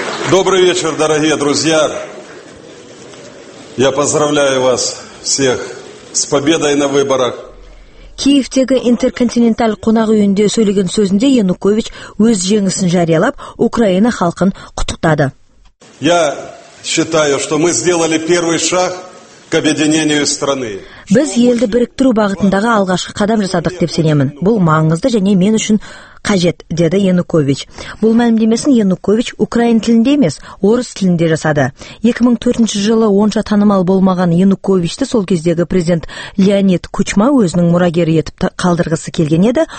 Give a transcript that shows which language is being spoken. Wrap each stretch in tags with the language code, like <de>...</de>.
<ru>Добрый вечер, дорогие друзья. Я поздравляю вас всех с победой на выборах.</ru> <kk>Киевтегі Интерконтиненталь қонақ үйінде сөйлеген сөзінде Янукович өз жеңісін жариялап, Украина халқын құттықтады.</kk> <ru>Я считаю, что мы сделали первый шаг к объединению страны.</ru> <kk>Біз елді біріктіру бағытындағы алғашқы қадам жасадық деп сенемін. Бұл маңызды және мен үшін қажет, деді Янукович. Бұл мәлімдемесін Янукович украин тілінде емес, орыс тілінде жасады. 2004 жылы онша танымал болмаған Януковичті сол кездегі президент Леонид Кучма өзінің мұрагері етіп қалдырғысы келген еді.</kk>